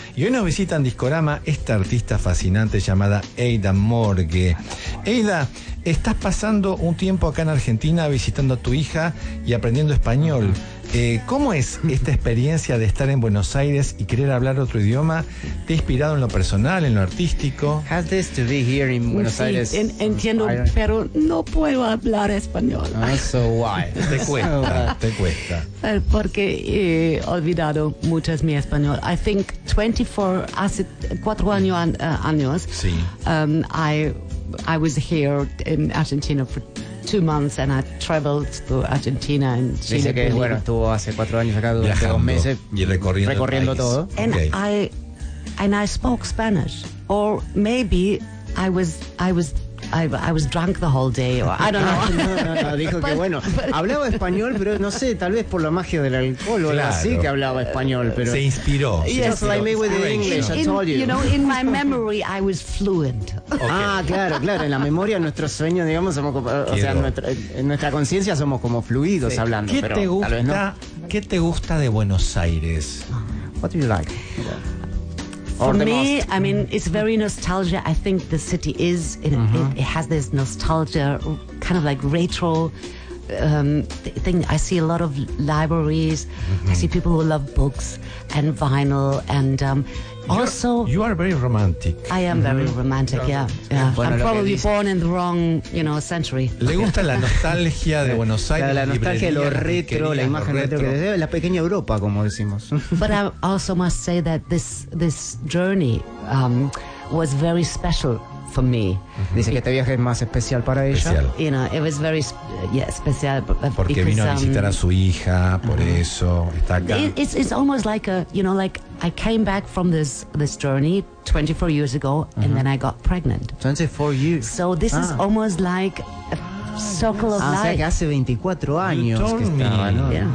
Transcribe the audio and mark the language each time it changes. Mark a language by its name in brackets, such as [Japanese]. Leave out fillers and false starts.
[Spanish] Y hoy nos visita en Discorama esta artista fascinante llamada Eida Morgue. Eida, estás pasando un tiempo acá en Argentina visitando a tu hija y aprendiendo español. ¿Cómo es esta experiencia de estar en Buenos Aires y querer hablar otro idioma? ¿Te ha inspirado en lo personal, en lo artístico? [English] Has this to be here in Buenos Aires. [Spanish] Entiendo, pero no puedo hablar español. [English] So why? [Spanish] Te cuesta, te cuesta. Porque he olvidado mucho mi español. [English] I think [Spanish] 4 años. Sí. [English] I was here in Argentina for 2 months and I traveled to Argentina and Chile. [Spanish] Dice que es bueno, estuvo hace 4 años acá, durante 2 meses y recorriendo todo. [English] And I spoke Spanish, or maybe I was drunk the whole day, or I don't know. [Spanish] No, dijo que bueno, hablaba español, pero no sé, tal vez por la magia del alcohol, claro. O algo así, que hablaba español, pero se inspiró. [English] Yes, like me with the English, I told you. You know, in my memory, I was fluent. Okay. [Spanish] Ah, claro, claro, en la memoria, en nuestros sueños, digamos, somos, o sea, en nuestra conciencia somos como fluidos, sí, hablando. ¿Qué pero te gusta? Tal vez no. ¿Qué te gusta de Buenos Aires? [English] What do you like? For me, I mean, it's very nostalgia. I think the city is, it has this nostalgia, kind of like retro thing. I see a lot of libraries. Mm-hmm. I see people who love books and vinyl. And also... You are very romantic. I am very romantic, yeah. Yeah. Bueno, I'm probably born in the wrong, you know, century. [Spanish] Le gusta la nostalgia de Buenos Aires. La nostalgia, lo retro, la imagen retro. Que desde la pequeña Europa, como decimos. [English] But I also must say that this journey was very special for me. Mm-hmm. [Spanish] Dice que este viaje es más especial para ella. [English] You know, it was very special. [Spanish] Porque vino a visitar a su hija, por eso está acá. [English] It's almost like a, you know, like I came back from this journey 24 years ago, and then I got pregnant. 24 years. So this is almost like a circle of life. [Spanish] O sea, que hace 24 años que estaba, ¿no?